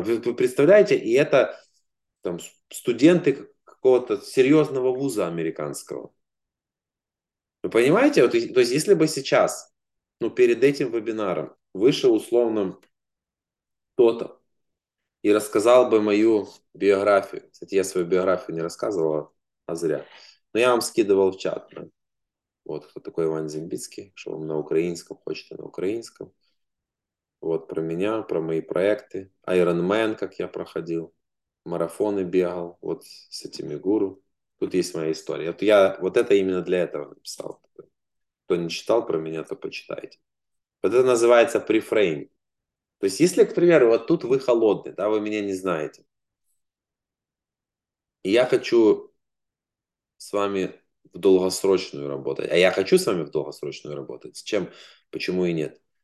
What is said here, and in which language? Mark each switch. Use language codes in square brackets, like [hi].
[ru] Вы представляете, и это там студенты какого-то серьезного вуза американского. Вы понимаете? Вот, то есть, если бы сейчас, ну, перед этим вебинаром вышел условно кто-то и рассказал бы мою биографию. Кстати, я свою биографию не рассказывал, а зря. Но я вам скидывал в чат. [uk] От хто такий Іван Зімбіцький, що вам на українському, хочете на українському. От про мене, про мої проекти. Iron Man, як я проходив, марафони бігав, от з цими гуру. Тут є моя історія. От я от це іменно для цього написав. Хто не читав про мене, то почитайте. [ru] Вот это называется префрейм. То есть, если, к примеру, вот тут вы холодны, да, вы меня не знаете. И я хочу с вами в долгосрочную работать. А я хочу с вами в долгосрочную работать. С чем? Почему и нет?